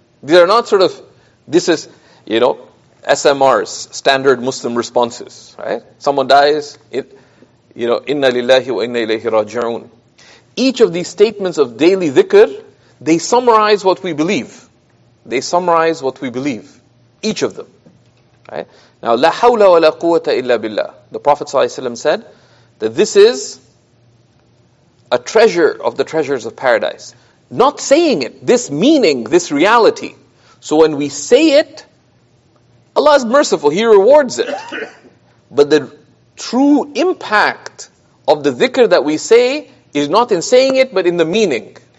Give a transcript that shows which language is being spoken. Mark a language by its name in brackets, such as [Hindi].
[English] These are not sort of, this is, you know, SMRs, standard Muslim responses. Right? Someone dies, it, you know, [Arabic] Inna lillahi wa inna ilayhi raji'un. [English] Each of these statements of daily dhikr, they summarize what we believe. They summarize what we believe. Each of them. Right? Now, [Arabic] لا حول ولا قوة إلا بالله. [English] The Prophet ﷺ said that this is a treasure of the treasures of paradise. Not saying it, this meaning, this reality. So when we say it, Allah is merciful, He rewards it. But the true impact of the dhikr that we say is not in saying it, but in the meaning.